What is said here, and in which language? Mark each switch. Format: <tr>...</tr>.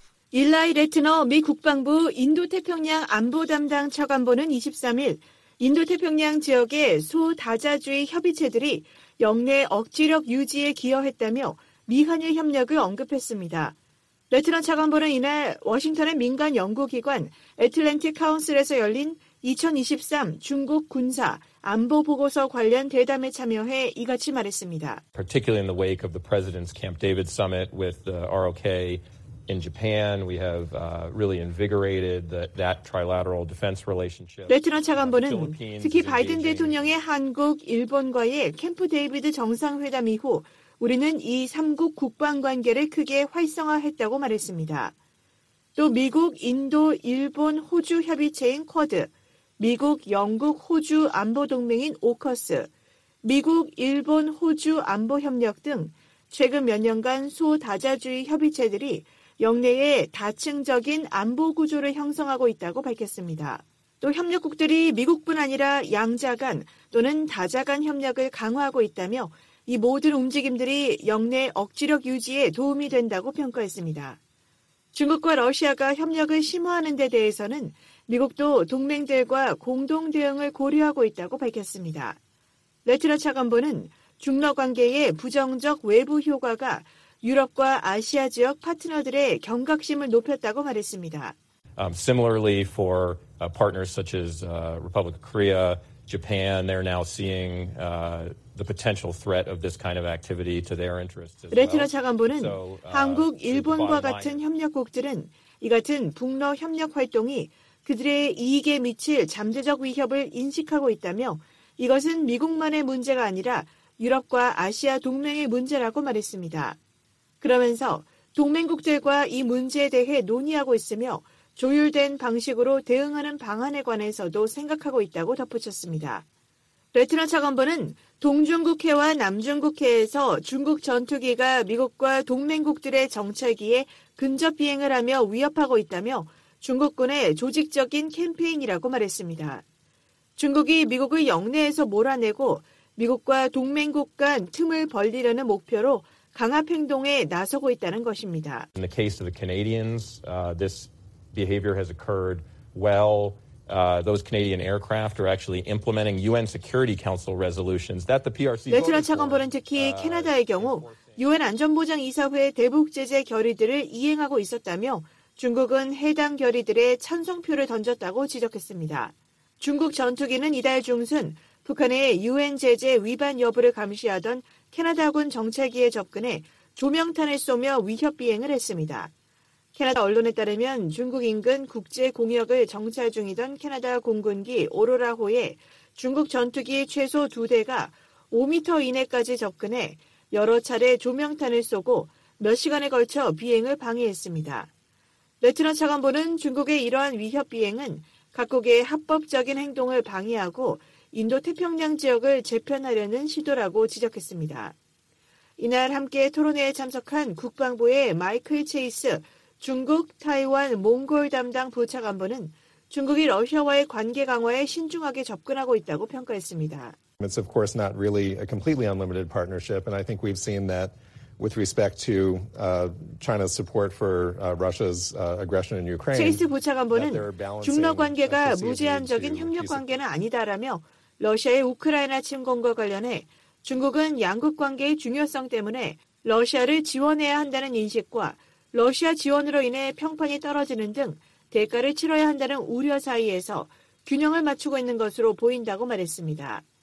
<ko>일라이 레트너 미 국방부 인도태평양 안보 담당 차관보는 23일 인도태평양 지역의 소다자주의 협의체들이 영내 억지력 유지에 기여했다며 미한일 협력을 언급했습니다. 레트너 차관보는 이날 워싱턴의 민간 연구기관 애틀랜틱 카운슬에서 열린 2023 중국 군사 안보 보고서 관련 대담에 참여해 이같이 말했습니다.</ko> <en>Particularly in the wake of the President's Camp David summit with the ROK in Japan, we have really invigorated that trilateral defense relationship.</en> <ko>레트너 차관보는 특히 바이든 대통령의 한국, 일본과의 캠프 데이비드 정상회담 이후 우리는 이 3국 국방 관계를 크게 활성화했다고 말했습니다. 또 미국, 인도, 일본, 호주 협의체인 쿼드, 미국, 영국, 호주 안보 동맹인 오커스, 미국, 일본, 호주 안보 협력 등 최근 몇 년간 소다자주의 협의체들이 영내에 다층적인 안보 구조를 형성하고 있다고 밝혔습니다. 또 협력국들이 미국뿐 아니라 양자 간 또는 다자 간 협력을 강화하고 있다며 이 모든 움직임들이 영내 억지력 유지에 도움이 된다고 평가했습니다. 중국과 러시아가 협력을 심화하는 데 대해서는 미국도 동맹들과 공동 대응을 고려하고 있다고 밝혔습니다. 레트너 차관보는 중러 관계의 부정적 외부 효과가 유럽과 아시아 지역 파트너들의 경각심을 높였다고 말했습니다.</ko> <en>Similarly for partners such as Republic of Korea, Japan, they're now seeing the potential threat of this kind of activity to their interests as well.</en> <ko>레트너 차관보는 한국, 일본과 같은 협력국들은 이 같은 북러 협력 활동이 그들의 이익에 미칠 잠재적 위협을 인식하고 있다며 이것은 미국만의 문제가 아니라 유럽과 아시아 동맹의 문제라고 말했습니다. 그러면서 동맹국들과 이 문제에 대해 논의하고 있으며 조율된 방식으로 대응하는 방안에 관해서도 생각하고 있다고 덧붙였습니다. 레트너 차관보는 동중국해와 남중국해에서 중국 전투기가 미국과 동맹국들의 정찰기에 근접 비행을 하며 위협하고 있다며 중국군의 조직적인 캠페인이라고 말했습니다. 중국이 미국을 영내에서 몰아내고 미국과 동맹국 간 틈을 벌리려는 목표로 강압 행동에 나서고 있다는 것입니다.</ko> <en>In the case of the Canadians, this behavior has occurred well. Those Canadian aircraft are actually implementing UN Security Council resolutions that the PRC.</en> <ko>레트너 차관보는 특히 캐나다의 경우 UN 안전보장 이사회 대북 제재 결의들을 이행하고 있었다며 중국은 해당 결의들에 찬성표를 던졌다고 지적했습니다. 중국 전투기는 이달 중순 북한의 UN 제재 위반 여부를 감시하던 캐나다군 정찰기에 접근해 조명탄을 쏘며 위협 비행을 했습니다. 캐나다 언론에 따르면 중국 인근 국제 공역을 정찰 중이던 캐나다 공군기 오로라호에 중국 전투기 최소 두 대가 5m 이내까지 접근해 여러 차례 조명탄을 쏘고 몇 시간에 걸쳐 비행을 방해했습니다. 레트너 차관보는 중국의 이러한 위협 비행은 각국의 합법적인 행동을 방해하고 인도태평양 지역을 재편하려는 시도라고 지적했습니다. 이날 함께 토론회에 참석한 국방부의 마이클 체이스 중국, 타이완, 몽골 담당 부차관보는 중국이 러시아와의 관계 강화에 신중하게 접근하고 있다고 평가했습니다.</ko> <en>It's of course not really a completely unlimited partnership, and I think we've seen that with respect to China's support for Russia's aggression in Ukraine.</en> <ko>체이스 부차관보는 중러 관계가 무제한적인 협력 관계는 아니다라며 러시아의 우크라이나 침공과 관련해 중국은 양국 관계의 중요성 때문에 러시아를 지원해야 한다는 인식과 러시아 지원으로 인해 평판이 떨어지는 등 대가를 치러야 한다는 우려 사이에서 균형을 맞추고 있는 것으로 보인다고 말했습니다.</ko>